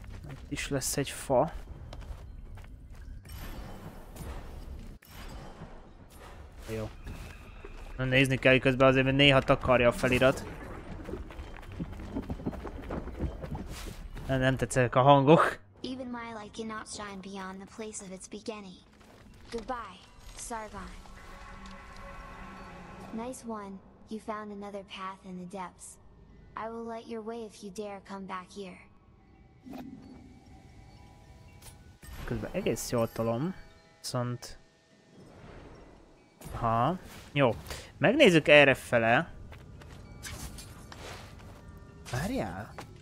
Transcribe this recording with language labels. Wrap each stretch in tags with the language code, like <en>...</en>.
<hu>Itt is lesz egy fa. Jó. Na, nézni kell, közben azért, mert néha takarja a felirat. Nem tetszenek a hangok.</hu> <en>Even my light cannot shine beyond the place of its beginning. Goodbye, Sargon. Nice one, you found another path in the depths. I will light your way if you dare come back here.</en> <hu>Közben egész jól tolom, viszont... Ha, jó. Megnézzük erre fele. Várjál.</hu>